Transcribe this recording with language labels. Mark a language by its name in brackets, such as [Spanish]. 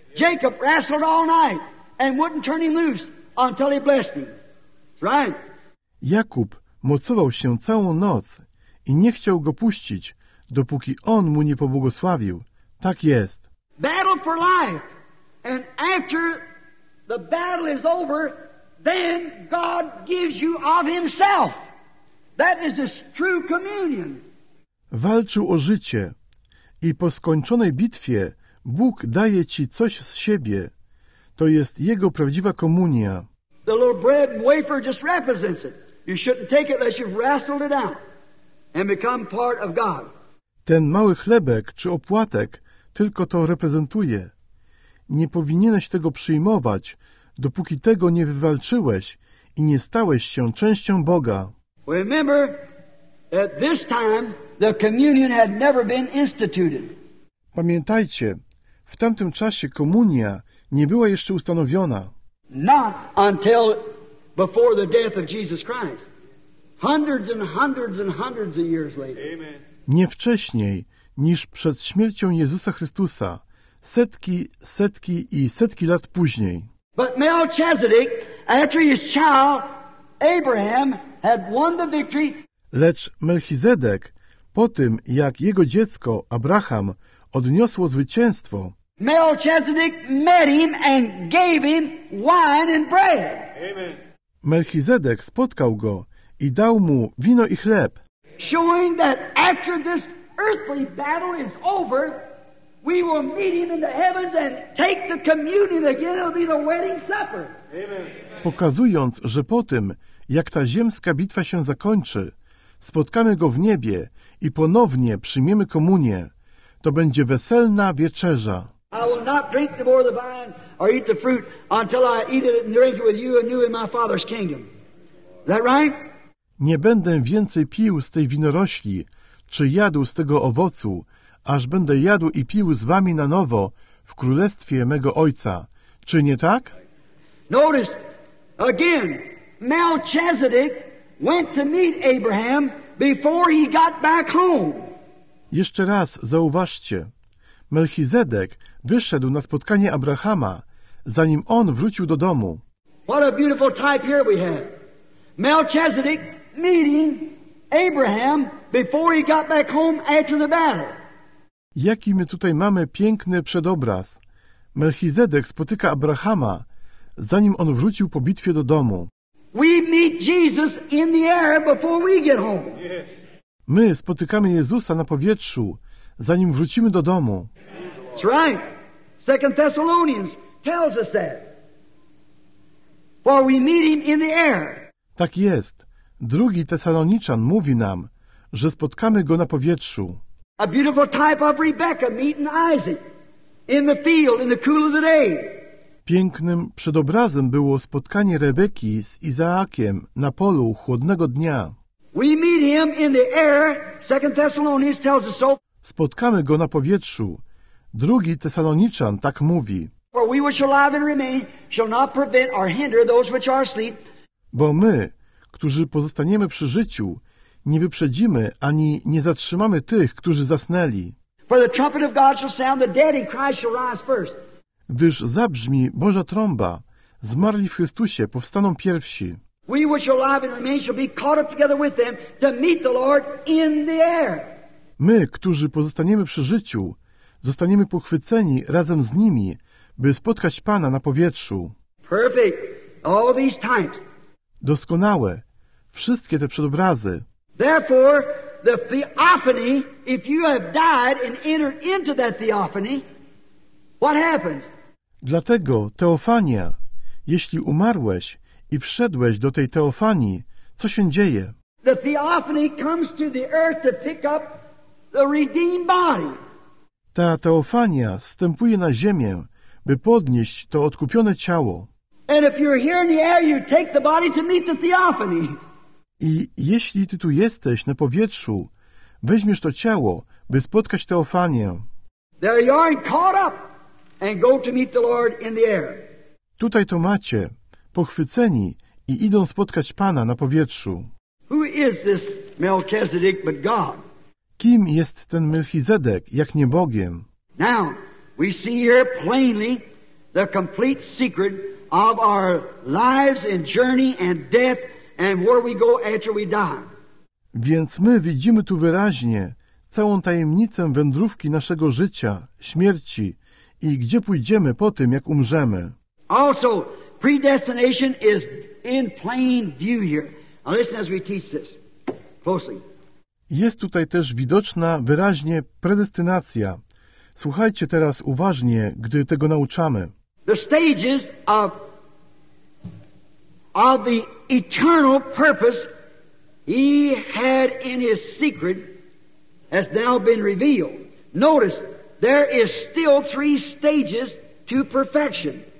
[English] Jacob wrestled all night and wouldn't turn him loose until he blessed him. Right? [Polish] Jakub mocował się całą noc i nie chciał go puścić, dopóki on mu nie pobłogosławił. Tak jest. [English] Battle for life. And after the battle is over, then God gives you of himself. That is his true communion. [Polish] Walczył o życie. I po skończonej bitwie Bóg daje ci coś z siebie. To jest jego prawdziwa komunia. [English] The little bread and wafer just represents it. You shouldn't take it unless you've wrestled it out. And become part of God. [Polish] Ten mały chlebek czy opłatek tylko to reprezentuje. Nie powinieneś tego przyjmować, dopóki tego nie wywalczyłeś i nie stałeś się częścią Boga. [English] Remember that this time the communion had never been instituted. [Polish] Pamiętajcie, w tamtym czasie komunia nie była jeszcze ustanowiona. [English] Not until before the death of Jesus Christ. Hundreds and hundreds and hundreds of years later. Amen. [Polish] Nie wcześniej niż przed śmiercią Jezusa Chrystusa, setki, setki i setki lat później. [English] But Melchizedek, after his child Abraham had won the victory. [Polish] Lecz Melchizedek, po tym jak jego dziecko Abraham odniosło zwycięstwo, [English] Melchizedek met him and gave him wine and bread. Amen. [Polish] Melchizedek spotkał go i dał mu wino i chleb. [English] Showing that after this earthly battle is over, we will meet him in the heavens and take the communion again. It'll be the wedding supper. Amen. [Polish] Pokazując, że po tym, jak ta ziemska bitwa się zakończy, spotkamy go w niebie i ponownie przyjmiemy komunię. To będzie weselna wieczerza. [English] I will not drink the more of the vine or eat the fruit until I eat it and drink it with you and you in my Father's kingdom. Is that right? [Polish] Nie będę więcej pił z tej winorośli, czy jadł z tego owocu, aż będę jadł i pił z wami na nowo w królestwie mego Ojca. Czy nie tak? [English] Notice, again, Melchizedek went to meet Abraham before he got back home. [Polish] Jeszcze raz zauważcie. Melchizedek wyszedł na spotkanie Abrahama, zanim on wrócił do domu. [English] What a beautiful type here we have. Melchizedek meeting Abraham before he got back home after the battle. [Polish] Jaki my tutaj mamy piękny przedobraz. Melchizedek spotyka Abrahama, zanim on wrócił po bitwie do domu. [English] We meet Jesus in the air before we get home. [Polish] My spotykamy Jezusa na powietrzu, zanim wrócimy do domu. [English] That's right. Second Thessalonians tells us that. For we meet him in the air. [Polish] Tak jest. Drugi Tesaloniczan mówi nam, że spotkamy go na powietrzu. [English] A beautiful type of Rebecca meeting Isaac in the field in the cool of the day. [Polish] Pięknym przedobrazem było spotkanie Rebeki z Izaakiem na polu chłodnego dnia. [English] We meet him in the air, 2 Thessalonians tells us so. [Polish] Spotkamy go na powietrzu. Drugi Tesaloniczan tak mówi. [English] For we which are alive and remain shall not prevent or hinder those which are asleep. [Polish] Bo my, którzy pozostaniemy przy życiu, nie wyprzedzimy ani nie zatrzymamy tych, którzy zasnęli. [English] For the trumpet of God shall sound, the dead in Christ shall rise first. [Polish] Gdyż zabrzmi Boża trąba, zmarli w Chrystusie powstaną pierwsi. [English] We which are alive and remain shall be caught up together with them to meet the Lord in the air. [Polish] My, którzy pozostaniemy przy życiu, zostaniemy pochwyceni razem z nimi, by spotkać Pana na powietrzu. [English] Perfect. All these times. [Polish] Doskonałe. Wszystkie te przedobrazy. [English] Therefore, the theophany, if you have died and entered into that theophany, what happens? [Polish] Dlatego, Teofania, jeśli umarłeś i wszedłeś do tej teofanii, co się dzieje? [English] The theophany comes to the earth to pick up the redeemed body. [Polish] Ta teofania zstępuje na ziemię, by podnieść to odkupione ciało. [English] And if you're here in the air, you take the body to meet the theophany. [Polish] I jeśli ty tu jesteś na powietrzu, weźmiesz to ciało, by spotkać teofanię. [English] There you are, caught up, and go to meet the Lord in the air. [Polish] Tutaj to macie, pochwyceni i idą spotkać Pana na powietrzu. [English] Who is this Melchizedek but God? [Polish] Kim jest ten Melchizedek, jak nie Bogiem? [English] Now, we see here plainly the complete secret of our lives and journey and death and where we go after we die. [Polish] Więc my widzimy tu wyraźnie całą tajemnicę wędrówki naszego życia, śmierci i gdzie pójdziemy po tym, jak umrzemy. [English] Also, predestination is in plain view here. Now listen as we teach this closely. [Polish] Jest tutaj też widoczna wyraźnie predestynacja. Słuchajcie teraz uważnie, gdy tego nauczamy. [English] The stages of the eternal purpose he had in his secret has now been revealed. Notice, there is still three stages to perfection.